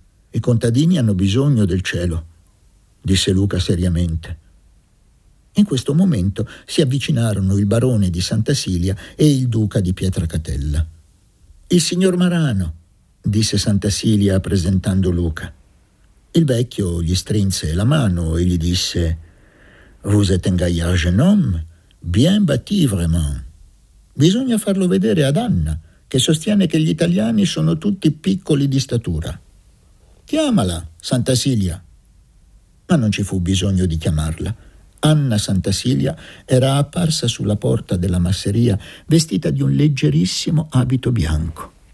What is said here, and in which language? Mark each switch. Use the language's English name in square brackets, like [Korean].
[Italian] I contadini hanno bisogno del cielo, disse Luca seriamente. In questo momento si avvicinarono il barone di Santa Silia e il duca di Pietracatella. Il signor Marano, disse Santa Silia presentando Luca. Il vecchio gli strinse la mano e gli disse: [French] Vous êtes un gaillard jeune homme, bien bâti vraiment. [Italian] Bisogna farlo vedere ad Anna, che sostiene che gli italiani sono tutti piccoli di statura. Chiamala, Santa Silia. Ma non ci fu bisogno di chiamarla. Anna Santa Silia era apparsa sulla porta della masseria vestita di un leggerissimo abito bianco.